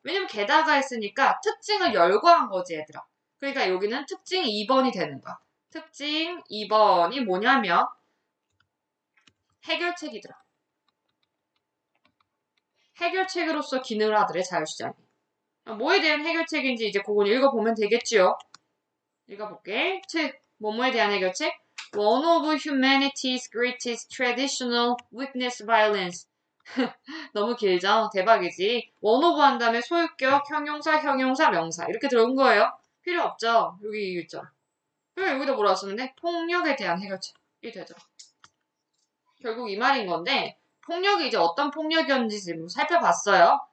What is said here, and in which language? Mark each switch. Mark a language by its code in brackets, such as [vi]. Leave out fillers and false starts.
[ko] 왜냐면 게다가 했으니까 특징을 열거한 거지, 얘들아. 그러니까 여기는 특징 2번이 되는 거야. 특징 2번이 뭐냐면 해결책이더라. 해결책으로서 기능을 하더래, 자유시장이. 뭐에 대한 해결책인지 이제 그건 읽어보면 되겠지요. 읽어볼게. 즉, 뭐뭐에 대한 해결책? [en] One of humanity's greatest traditional weakness, violence. [ko] 너무 길죠? 대박이지? [en] One of [ko] 한 다음에 소유격, 형용사, 형용사, 명사. 이렇게 들어온 거예요. 필요 없죠? 여기 읽죠. 여기다 뭐라고 쓰면 돼? 폭력에 대한 해결책이 되죠. 결국 이 말인 건데, 폭력이 이제 어떤 폭력이었는지 지금 살펴봤어요.